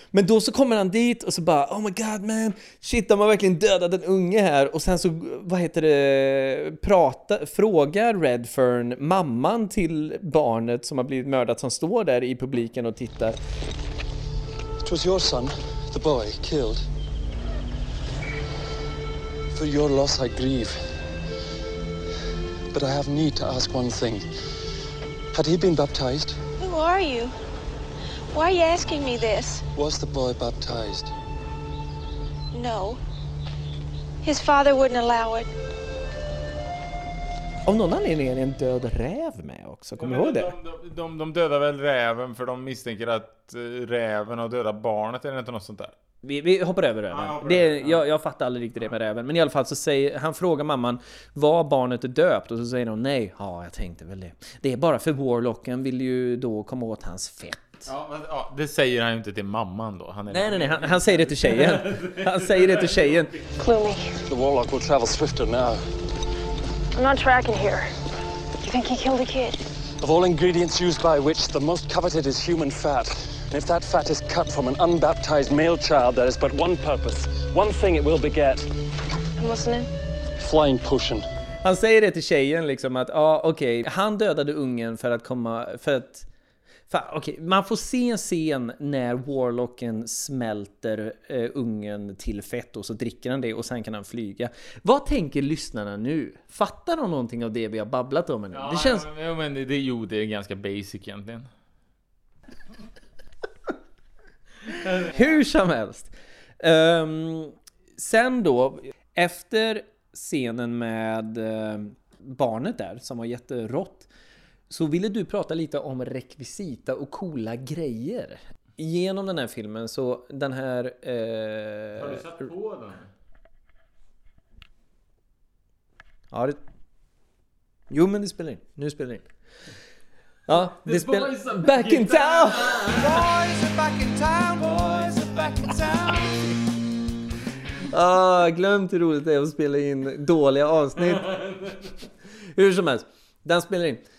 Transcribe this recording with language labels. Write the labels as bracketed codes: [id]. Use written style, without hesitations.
[sv] Men då så kommer han dit och så bara, [en] "Oh my god, man. Shit, [sv] de har verkligen dödat en unge här." Och sen så, vad heter det, frågar Redfern mamman till barnet som har blivit mördat, som står där i publiken och tittar. [en] "It was your son, the boy, killed. For your loss I grieve. But I have need to ask one thing. Had he been baptized?" "Who are you? Why are you asking me this?" "Was the boy baptized?" "No. His father wouldn't allow it." [sv] Av någon anledning är en död räv med också. Kommer ihåg det? De dödar väl räven för de misstänker att räven har dödat barnet. Är det inte något sånt där? Vi hoppar över räven. Jag fattar aldrig riktigt det med räven. Men i alla fall så säger han, frågar mamman, "Var barnet döpt?" Och så säger hon, "Nej, ja, jag tänkte väl det. Det är bara för Warlocken vill ju då komma åt hans fett." Ja, men, ja, det säger han ju inte till mamman då. Han är nej, han säger det till tjejen. Han säger det till tjejen. [en] "Clooney. The Warlock will travel swifter now. I'm not tracking here. You think he killed a kid? Of all ingredients used by a witch, the most coveted is human fat. And if that fat is cut from an unbaptized male child, there is but one purpose. One thing it will beget. And what's the name? Flying potion." [sv] Han säger det till tjejen liksom att, ja, okej, okay, han dödade ungen för att komma, för att... Okej, man får se en scen när Warlocken smälter ungen till fett och så dricker han det och sen kan han flyga. Vad tänker lyssnarna nu? Fattar de någonting av det vi har babblat om nu? Ja, det känns... men det är ganska basic egentligen. Hur som helst. Sen då, efter scenen med barnet där som var jätterått, så ville du prata lite om rekvisita och coola grejer. Genom den här filmen så den här... Har du satt på den? Ja, det... Jo, men det spelar in. Nu spelar in. Ja, det spelar... [en] Back in town! Boys are back in town, boys are back in town. [sv] Ah, glömt hur roligt det är att spela in dåliga avsnitt. Hur som helst. Den spelar in.